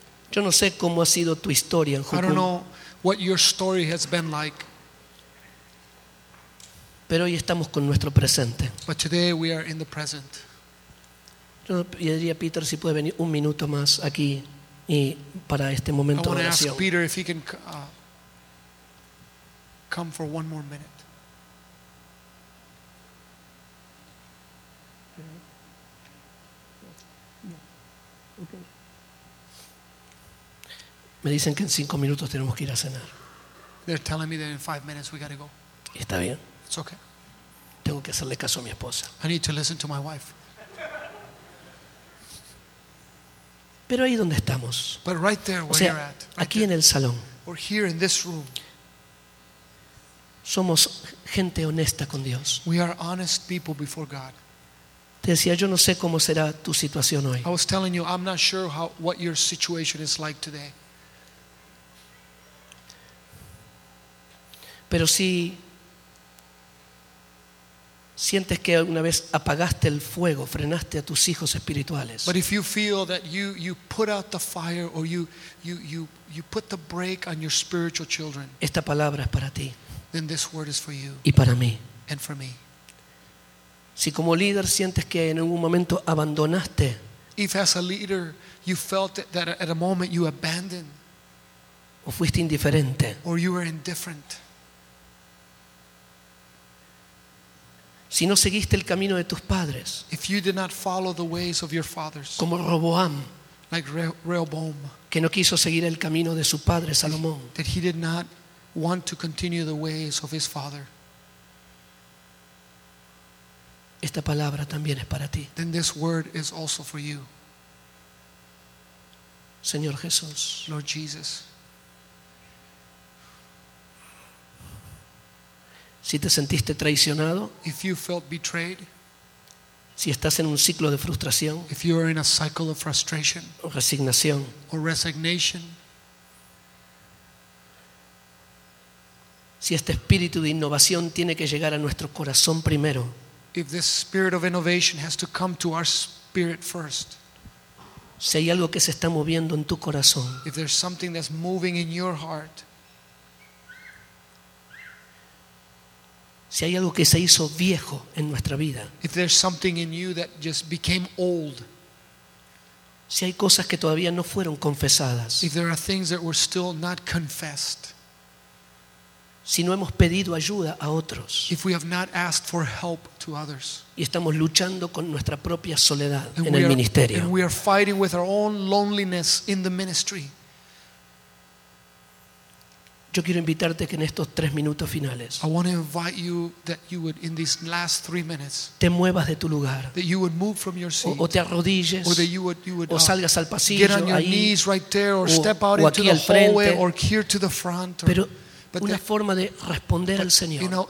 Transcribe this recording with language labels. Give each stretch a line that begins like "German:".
Spanish: Yo no sé cómo ha sido tu historia en Jucum.
English: I don't know what your story has been like.
Spanish: Pero hoy estamos con nuestro presente.
English: But today we are in the present.
Spanish: Yo pediría a Peter si puede venir un minuto más aquí y para este momento de oración.
English: I want to ask Peter if he can come for one more minute.
Spanish: Me dicen que en 5 minutos tenemos que ir a cenar.
English: They're telling me that in 5 minutes we got to go.
Spanish: ¿Está bien?
English: It's okay.
Spanish: Tengo que hacerle caso a mi esposa.
English: I need to listen to my wife.
Spanish: Pero ahí donde estamos.
English: But right there where you're at.
Spanish: Aquí en el salón.
English: Or here in this room.
Spanish: Somos gente honesta con Dios.
English: We are honest people before God.
Spanish: Te decía, yo no sé cómo será tu situación hoy.
English: I was telling you, I'm not sure how what your situation is like today.
Spanish: Pero si sientes que alguna vez apagaste el fuego, frenaste a tus hijos espirituales.
English: But if you feel that you put out the fire or you put the brake on your spiritual children.
Spanish: Esta palabra es para ti.
English: Then this word is for you.
Spanish: Y para mí.
English: And for me.
Spanish: Si como líder sientes que en algún momento abandonaste.
English: If as a leader you felt that at a moment you abandoned.
Spanish: O fuiste indiferente.
English: Or you were indifferent.
Spanish: Si no seguiste el camino de tus padres,
English: if you did not follow the ways of your fathers,
Spanish: como Roboam,
English: like Rehoboam,
Spanish: que no quiso seguir el camino de su padre Salomón,
English: that he did not want to continue the ways of his father.
Spanish: Esta palabra también es para ti.
English: Then this word is also for you.
Spanish: Señor Jesús,
English: Lord Jesus.
Spanish: Si te sentiste traicionado,
English: if you felt betrayed,
Spanish: si estás en un ciclo de frustración,
English: if you are in a cycle of frustration,
Spanish: o resignación,
English: or resignation,
Spanish: si este espíritu de innovación tiene que llegar a nuestro corazón primero,
English: if this spirit of innovation has to come to our spirit first,
Spanish: si hay algo que se está moviendo en tu corazón,
English: if there's something that's moving in your heart,
Spanish: si hay algo que se hizo viejo en nuestra vida,
English: if there's something in you that just became old,
Spanish: si hay cosas que todavía no fueron confesadas,
English: if there are things that were still not confessed,
Spanish: si no hemos pedido ayuda a otros,
English: if we have not asked for help to others,
Spanish: y estamos luchando con nuestra propia soledad en el ministerio,
English: and we are fighting with our own loneliness in the ministry.
Spanish: Yo quiero invitarte que en estos 3 minutos finales,
English: I want to invite you that you would in these last 3 minutes,
Spanish: te muevas de tu lugar,
English: that you would move from your seat,
Spanish: o te arrodilles,
English: or that you would
Spanish: o salgas al pasillo,
English: get on your knees right there, or step out into the hallway, or here to the front,
Spanish: pero una forma de responder al Señor,